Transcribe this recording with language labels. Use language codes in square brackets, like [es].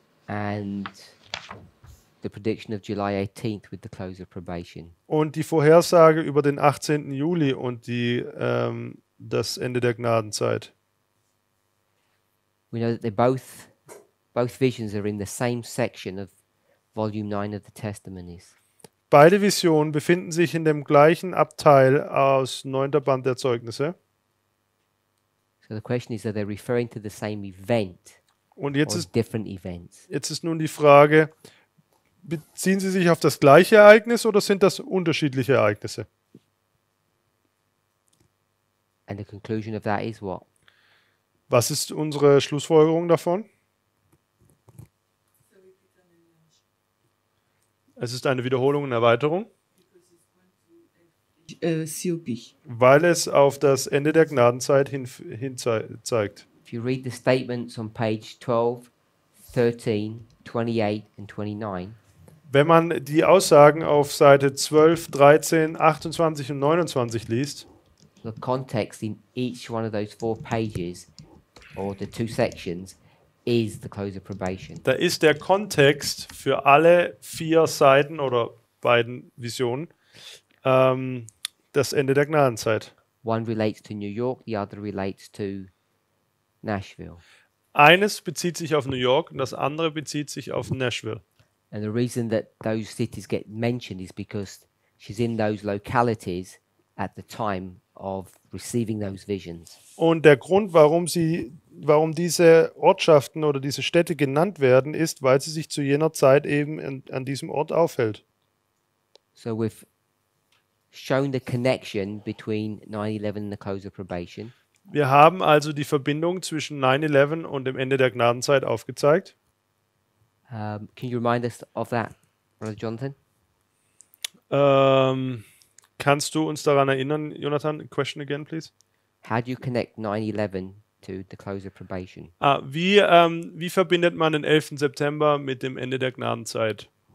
[en] And the prediction of July 18th with the close of probation. [de] Und die Vorhersage über den 18. Juli und die das Ende der Gnadenzeit. [en] We know that they both visions are in the same section of volume 9 of the testimonies. [de] Beide Visionen befinden sich in dem gleichen Abteil aus 9. Band der Zeugnisse. [en] So the question is, are they referring to the same event? [de] Und jetzt [en] or [de] ist [en] different events? [de] Jetzt ist nun die Frage, beziehen Sie sich auf das gleiche Ereignis oder sind das unterschiedliche Ereignisse? [en] And the conclusion of that is what? [de] Was ist unsere Schlussfolgerung davon? Es ist eine Wiederholung und Erweiterung. Weil es auf das Ende der Gnadenzeit hinzeigt. [en] If you read the statements on page 12, 13, 28 and 29. [de] Wenn man die Aussagen auf Seite 12, 13, 28 und 29 liest, [en] the context in each one of those four pages or the two sections is the close of probation. [de] Da ist der Kontext für alle vier Seiten oder beiden Visionen das Ende der Gnadenzeit. [en] One relates to New York, the other relates to Nashville. [de] Eines bezieht sich auf New York und das andere bezieht sich auf Nashville. [en] And the reason that those cities get mentioned is because she's in those localities at the time of receiving those visions. [de] Und der Grund, warum diese Ortschaften oder diese Städte genannt werden, ist, weil sie sich zu jener Zeit eben an diesem Ort aufhält. [en] So we've shown the connection between 9/11 and the close of probation. [de] Wir haben also die Verbindung zwischen 9/11 und dem Ende der Gnadenzeit aufgezeigt. [en] Can you remind us of that, Brother Jonathan? [de] Kannst du uns daran erinnern, Jonathan? [en] Question again, please. How do you connect 9/11 to the close of probation? [de] Wie verbindet man den 11. September mit dem Ende der Gnadenzeit?